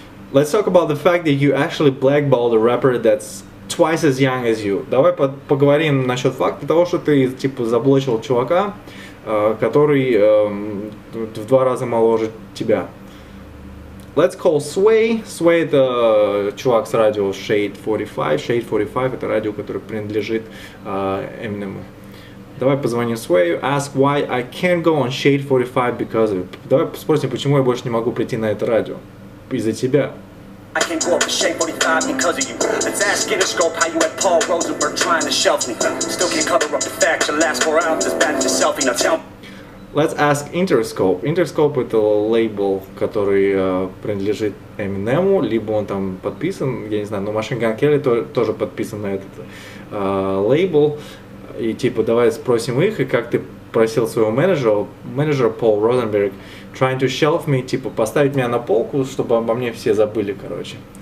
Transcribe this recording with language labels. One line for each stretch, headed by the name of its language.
English: Let's talk about the fact that you actually blackballed a rapper that's twice as young as you.
Russian: Давай поговорим насчет факта того, что ты типа заблочил чувака, который в два раза моложе тебя.
English: Let's call Sway.
Russian: Sway это чувак с радио Shade 45. Shade 45 это радио, которое принадлежит Eminem. Давай позвоним Sway.
English: Ask why I can't go on Shade 45 because of it.
Russian: Давай спросим, почему я больше не могу прийти на это радио. Из-за тебя.
English: I can't go up to Shade 45 because of you. Let's ask Interscope how you had Paul Rosenberg trying to shelf me. Still can't cover up the fact your last 4 hours as bad as a selfie. Now tell me. Let's ask Interscope.
Russian: Interscope это лейбл, который принадлежит Eminem, либо он там подписан, я не знаю, но Machine Gun Kelly тоже подписан на этот лейбл. И типа давай спросим их, и как ты просил своего менеджера Paul Rosenberg,
English: trying to shelf me,
Russian: типа поставить меня на полку, чтобы обо мне все забыли, короче.